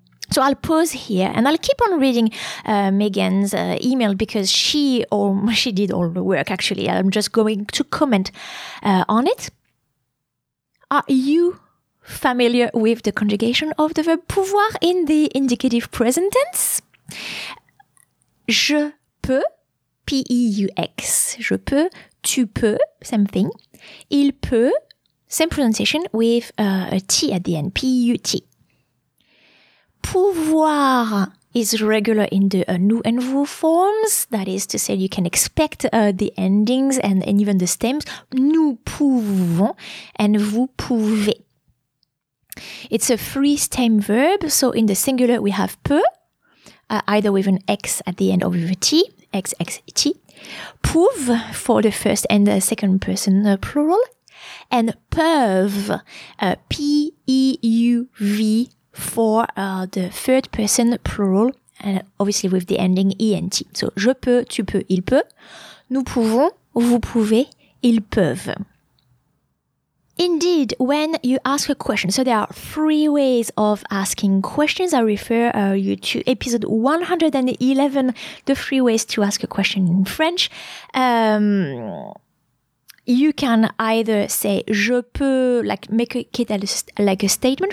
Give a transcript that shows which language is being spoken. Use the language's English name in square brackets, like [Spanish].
[English] So I'll pause here and I'll keep on reading Megan's email because she did all the work actually. I'm just going to comment on it. Are you familiar with the conjugation of the verb pouvoir in the indicative present tense? [French] Je peux, P-E-U-X, je peux, tu peux, [English] same thing. [French] Il peut, [English] same pronunciation with a T at the end, P-U-T. Pouvoir is regular in the nous and vous forms. That is to say, you can expect the endings and even the stems. [French] Nous pouvons and vous pouvez. [English] It's a three-stem verb. So in the singular, we have peu, either with an X at the end or with a T, X, X, T. Pouve for the first and the second person plural. And peuve, P-E-U-V, for the third person plural, and obviously with the ending ENT. [French] So, je peux, tu peux, il peut, nous pouvons, vous pouvez, ils peuvent. [English] Indeed, when you ask a question, so there are three ways of asking questions. I refer you to episode 111, the three ways to ask a question in French. You can either say [French] je peux, [English] like make it like a statement.